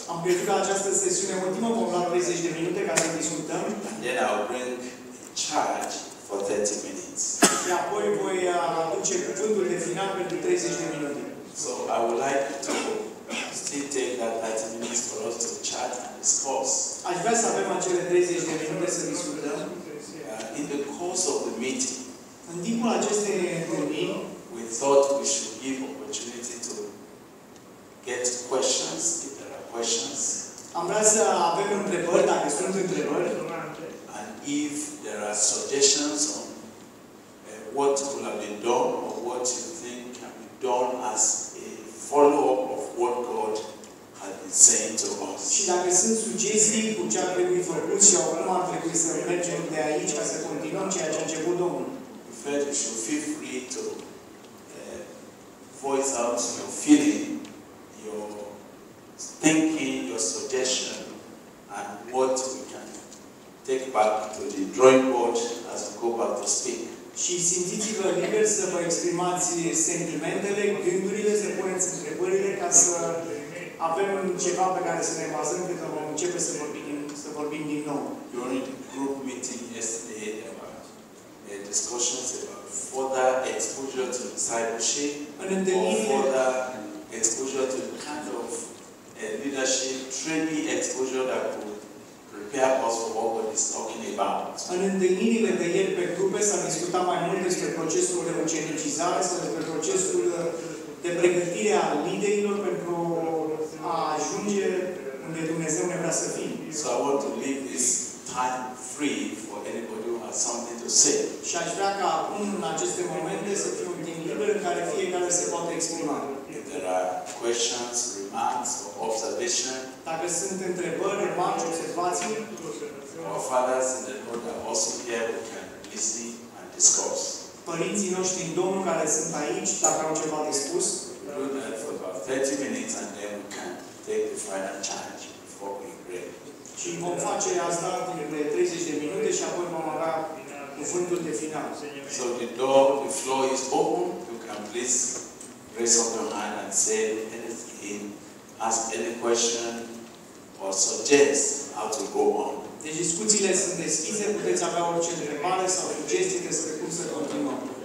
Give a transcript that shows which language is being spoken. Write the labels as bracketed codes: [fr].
[ro] Am pierdut această sesiune ultimă, vom lua 30 de minute ca să discutăm. [en] And then I'll bring charge for 30 minutes. [ro] Și apoi voi aduce cuvântul de final pentru 30 de minute. [en] So I would like to still take that 30 minutes for us to chat and discuss. [ro] Aș vrea să avem acele 30 de minute să discutăm. [en] In the course of the meeting, [ro] în timpul acestei întâlniri, [en] we thought we should give opportunity to get questions, if there are questions. [ro] Am vrea să avem întrebări, dacă sunt întrebări. [en] And if there are suggestions on what could have been done or what you think can be done as a follow-up of what God has been saying to us. [ro] Și dacă sunt sugestii cu ce ar trebui făcut și au urmă, ar trebui să mergem de aici ca să continuăm ceea ce a început Domnul. [en] But you should feel free to voice out your feeling, your thinking, your suggestion, and what we can take back to the drawing board as we go back to speak. [ro] Și simțiți-vă liberi să vă exprimați sentimentele, gândurile, să puneți întrebările ca să avem ceva pe care să ne bazăm când vom începe să vorbim, să vorbim din nou. [en] During the group meeting yesterday, discussions about further exposure to discipleship or further exposure to the kind of leadership training exposure that would prepare us for what God is talking about. [ro] În întâlnirile de ieri pe grupe s-a discutat mai mult despre procesul de ucenicizare sau despre procesul de pregătire a liderilor pentru a ajunge unde Dumnezeu ne vrea să fim. [en] So I want to leave this time free for anybody who has something to say. [ro] Și aș vrea ca acum, în aceste momente, să fie un timp liber în care fiecare se poate exprima. [en] If there are questions, remarks, or observations, [ro] dacă sunt întrebări, remarci, observații, [en] our fathers in the Lord are also here, we can listen and discuss. [ro] Părinții noștri în Domnul care sunt aici, dacă au ceva de spus, [en] we do that for about 30 minutes and then we can take the final charge before we pray. [ro] Și vom face asta de 30 de minute și apoi vom avea cuvântul de final. [en] So the door, the floor is open. You can please raise up your hand and say anything, ask any question or suggest how to go on. [ro] Deci discuțiile sunt deschise, puteți avea orice întrebare sau sugestii despre cum să continuăm.